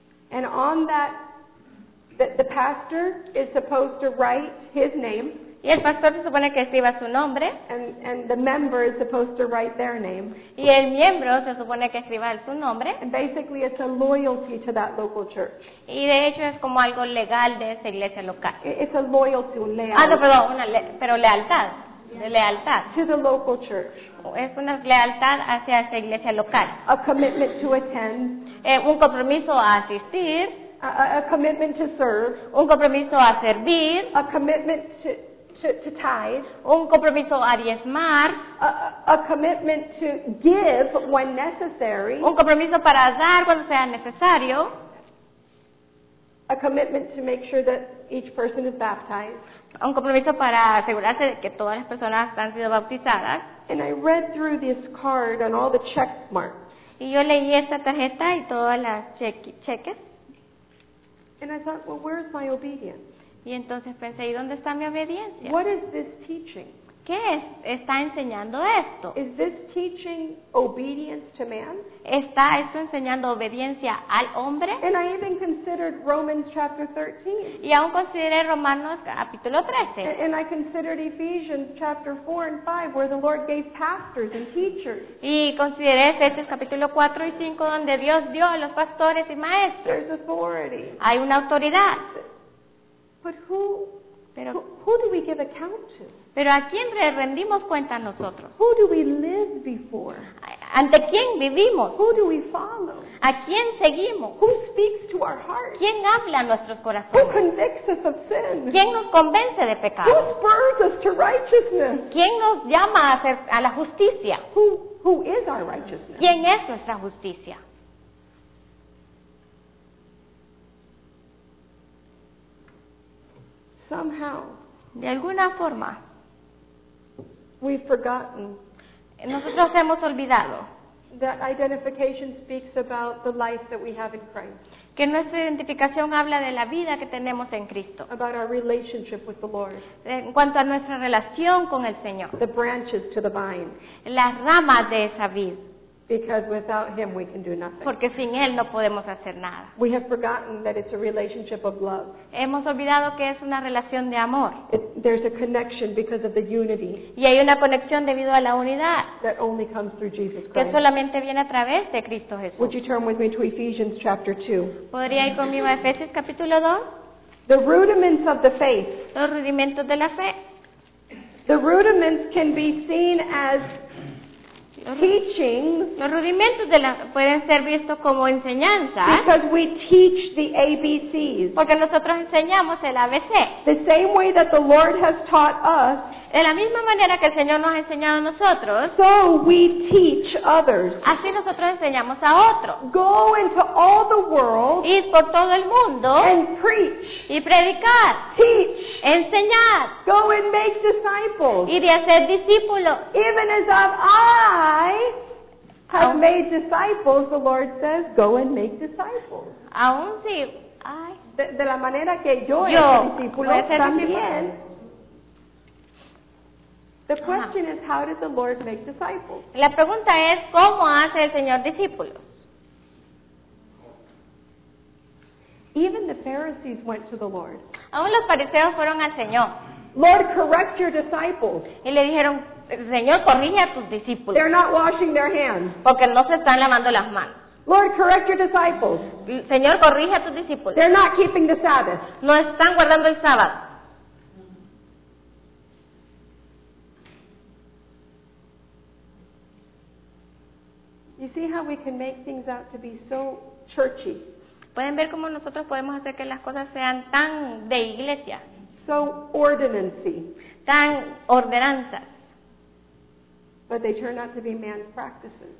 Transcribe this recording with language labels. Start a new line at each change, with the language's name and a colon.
English: And on that, the pastor is supposed to write his name.
Spanish: Y el pastor se supone que escriba su nombre.
English: And the member is supposed to write their name.
Spanish: Y el miembro se supone que escriba su nombre.
English: And basically it's a loyalty to that local church.
Spanish: Y de hecho es como algo legal de esa iglesia local.
English: It's a loyalty, lealtad.
Spanish: Ah, no, perdón, lealtad. De lealtad.
English: To the local church.
Spanish: Es una lealtad hacia esa iglesia local.
English: A commitment to attend.
Spanish: Un compromiso a asistir.
English: A commitment to serve.
Spanish: Un compromiso a servir.
English: A commitment to tithe,
Spanish: un compromiso a diezmar,
English: a commitment to give when necessary,
Spanish: un compromiso para dar cuando sea necesario,
English: a commitment to make sure that each person is baptized,
Spanish: un compromiso para asegurarse de que todas las personas han sido bautizadas.
English: And I read through this card and all the check marks.
Spanish: Y yo leí esta tarjeta y todas las cheques.
English: And I thought, well, where is my obedience?
Spanish: Y entonces pensé, ¿y dónde está mi obediencia?
English: What is this teaching?
Spanish: ¿Qué es? ¿Está enseñando esto?
English: Is this teaching obedience to man?
Spanish: ¿Está esto enseñando obediencia al hombre?
English: And I even considered Romans chapter 13.
Spanish: Y aún consideré Romanos capítulo 13.
English: And I considered Ephesians chapter 4 and 5, where the Lord gave pastors and teachers.
Spanish: Y consideré Efesios capítulo 4 y 5, donde Dios dio a los pastores y maestros.
English: There's authority.
Spanish: Hay una autoridad.
English: But who do we give account to?
Spanish: Pero ¿a quién le rendimos cuenta a nosotros?
English: Who do we live before?
Spanish: ¿Ante quién vivimos?
English: Who do we follow?
Spanish: ¿A quién seguimos?
English: Who speaks to our hearts?
Spanish: ¿Quién habla a nuestros corazones?
English: Who convicts us of sin?
Spanish: ¿Quién nos convence de pecado?
English: Who spurs us to righteousness?
Spanish: ¿Quién nos llama a la justicia?
English: Who is our righteousness?
Spanish: ¿Quién es nuestra justicia?
English: Somehow,
Spanish: de alguna forma,
English: we've forgotten.
Spanish: Nosotros hemos olvidado
English: that identification speaks about the life that we have in Christ.
Spanish: Que nuestra identificación habla de la vida que tenemos en Cristo.
English: About our relationship with the Lord.
Spanish: En cuanto a nuestra relación con el Señor.
English: The branches to the vine.
Spanish: Las ramas de esa vid.
English: Because without Him we can do nothing.
Spanish: Porque sin Él no podemos hacer nada.
English: We have forgotten that it's a relationship of love.
Spanish: Hemos olvidado que es una relación de amor.
English: There's a connection because of the unity.
Spanish: Y hay una conexión debido a la unidad.
English: That only comes through Jesus Christ.
Spanish: Que solamente viene a través de Cristo Jesús.
English: Would you turn with me to Ephesians chapter 2?
Spanish: ¿Podría ir conmigo a Efesios capítulo 2?
English: The rudiments of the faith.
Spanish: Los rudimentos de la fe.
English: The rudiments can be seen as teachings.
Spanish: Los rudimentos de la pueden ser vistos como enseñanzas.
English: Because we teach the ABCs.
Spanish: Porque nosotros enseñamos el ABC.
English: The same way that the Lord has taught us.
Spanish: De la misma manera que el Señor nos ha enseñado a nosotros.
English: So we teach others.
Spanish: Así nosotros enseñamos a otros.
English: Go into all the world.
Spanish: Ir por todo el mundo.
English: And preach.
Spanish: Y predicar.
English: Teach.
Spanish: Enseñar.
English: Go and make disciples.
Spanish: Ir y hacer discípulos.
English: Even as I have made disciples, the Lord says, go and make disciples.
Spanish: Aún si, ay. De la manera que yo he discípulo también.
English: The question is, how did the Lord make disciples?
Spanish: La pregunta es, ¿cómo hace el Señor discípulos?
English: Even the Pharisees went to the Lord.
Spanish: Aún los fariseos fueron al Señor.
English: Lord, correct your disciples.
Spanish: Y le dijeron, Señor, corrige a tus discípulos.
English: They're not washing their hands.
Spanish: Porque no se están lavando las manos.
English: Lord, correct your disciples.
Spanish: Señor, corrige a tus discípulos.
English: They're not keeping the Sabbath.
Spanish: No están guardando el sábado.
English: You see how we can make things out to be so churchy.
Spanish: ¿Pueden ver cómo nosotros podemos hacer que las cosas sean tan de iglesia?
English: So ordinancy.
Spanish: Tan ordenanzas.
English: But they turn out to be man's practices.